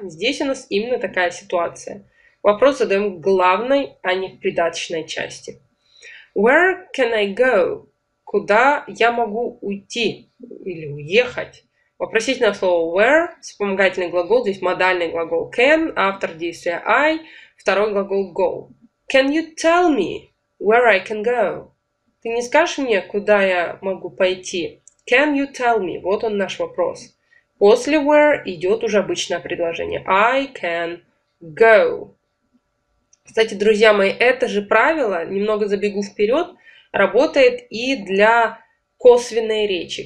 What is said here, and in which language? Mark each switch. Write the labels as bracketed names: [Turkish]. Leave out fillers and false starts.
[Russian] Здесь у нас именно такая ситуация. Вопрос задаем к главной, а не к придаточной части. [English] Where can I go? [Russian] Куда я могу уйти или уехать? Вопросительное слово where, вспомогательный глагол, здесь модальный глагол can, автор действия I, второй глагол go. [English] Can you tell me where I can go? [Russian] Ты не скажешь мне, куда я могу пойти? [English] Can you tell me? [Russian] Вот он наш вопрос. После where идет уже обычное предложение. [English] I can go. [Russian] Кстати, друзья мои, это же правило, немного забегу вперед, работает и для косвенной речи.